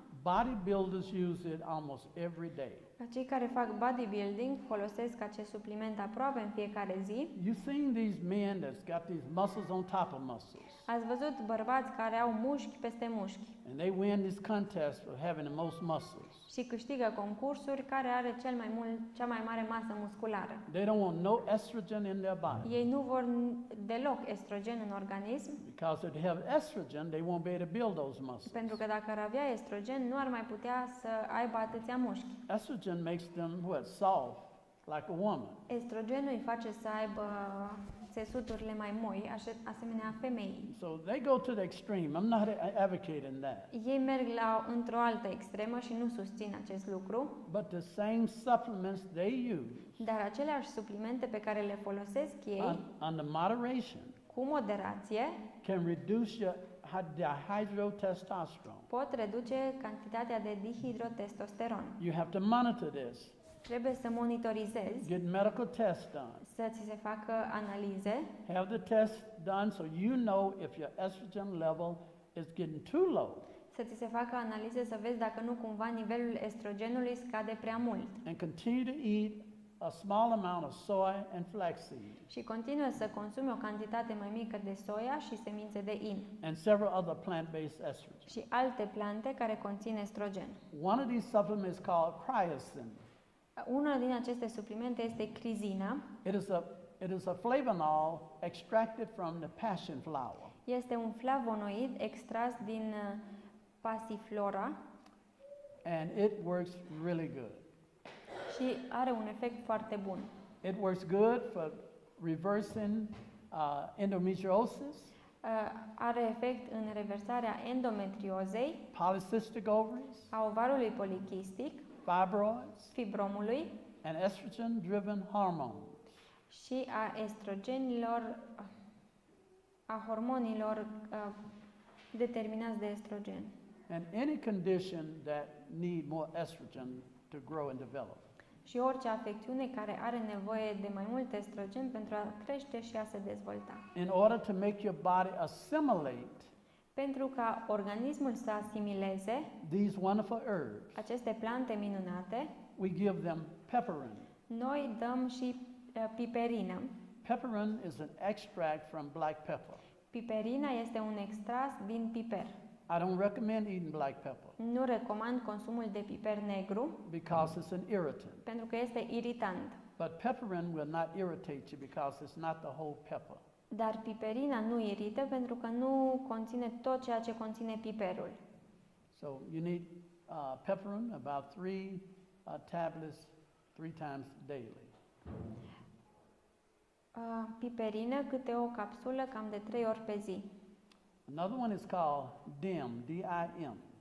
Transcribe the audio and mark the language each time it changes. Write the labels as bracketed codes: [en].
[en] bodybuilders use it almost every day. [ro] Cei care fac bodybuilding folosesc acest supliment aproape în fiecare zi. [en] You've seen these men that's got these muscles on top of muscles. [ro] Ați văzut bărbați care au mușchi peste mușchi. [en] And they win this contest of having the most muscles. [ro] Și câștigă concursuri care are cea mai mare masă musculară. [en] They don't want no estrogen in their body. [ro] Ei nu vor deloc estrogen în organism. [en] Because if they have estrogen, they won't be able to build those muscles. [ro] Pentru că dacă ar avea estrogen, nu ar mai putea să aibă atâția mușchi. [en] Estrogen makes them what? Soft, like a woman. [ro] Estrogenul îi face să aibă țesuturile mai moi, asemenea femeii. [en] So they go to the extreme. I'm not advocating that. [ro] Ei merg la într-o altă extremă și nu susțin acest lucru. [en] But the same supplements they use. [ro] Dar aceleași suplimente pe care le folosesc ei. [en] Under moderation. [ro] Cu moderație. [en] Can reduce your dihydrotestosterone. [ro] Pot reduce cantitatea de dihidrotestosteron. [en] You have to monitor this. [ro] Trebuie să monitorizezi. [en] Get medical tests done. [ro] Să ți se facă analize. [en] Have the tests done so you know if your estrogen level is getting too low. [ro] Să ți se facă analize să vezi dacă nu cumva nivelul estrogenului scade prea mult. [en] And continue to eat a small amount of soy and flaxseed. [ro] Și continuă să consumi o cantitate mai mică de soia și semințe de in. [en] And several other plant-based estrogens. [ro] Și alte plante care conțin estrogen. [en] One of these supplements is called cryosin. [ro] Una din aceste suplimente este crizina. [en] It is a flavonol extracted from the passion flower. [ro] Este un flavonoid extras din pasiflora. [en] And it works really good. [ro] Și și are un efect foarte bun. [en] It works good for reversing endometriosis. [ro] Are efect în reversarea endometriozei. [en] Polycystic ovaries. [ro] A ovarului polichistic. [en] Fibroids. [ro] Fibromului. [en] And estrogen-driven hormones. [ro] Și a estrogenilor, a hormonilor determinați de estrogen. [en] And any condition that need more estrogen to grow and develop. [ro] Și orice afecțiune care are nevoie de mai mult estrogen pentru a crește și a se dezvolta. [en] In order to make your body assimilate. [ro] Pentru ca organismul să asimileze. [en] These wonderful herbs. [ro] Aceste plante minunate. [en] We give them piperine. [ro] Noi dăm și piperină. [en] Piperine is an extract from black pepper. [ro] Piperina este un extras din piper. [en] I don't recommend eating black pepper. [ro] Nu recomand consumul de piper negru. [en] Because it's an irritant. [ro] Pentru că este iritant. [en] But piperine will not irritate you because it's not the whole pepper. [ro] Dar piperina nu irită pentru că nu conține tot ceea ce conține piperul. [en] So you need piperine about 3 tablets 3 times daily. [ro] Piperină câte o capsulă cam de 3 ori pe zi. [en] Another one is called DIM, D-I-M.